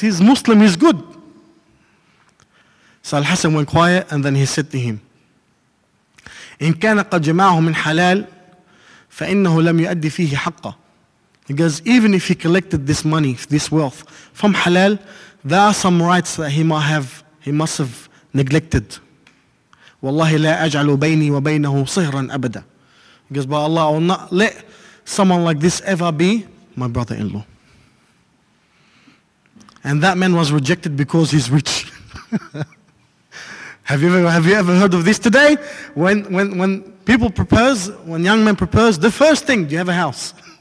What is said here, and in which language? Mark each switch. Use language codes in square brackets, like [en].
[en] He's Muslim. He's good. So Al-Hasan went quiet and then he said to him, [ar] إِن كَانَ قَدْ جَمَعَهُ مِنْ حَلَالٍ فَإِنَّهُ لَمْ يُؤَدِّ فِيهِ حَقَّهُ. [en] Because even if he collected this money, this wealth from halal, there are some rights that he might have, He must have neglected. [ar] والله لا أجعل بيني وبينه صهرا أبدا. [en] He goes, but Allah, I will not let someone like this ever be my brother-in-law. And that man was rejected because he's rich. have you ever heard of this today? When people propose, when young men propose, the first thing, do you have a house?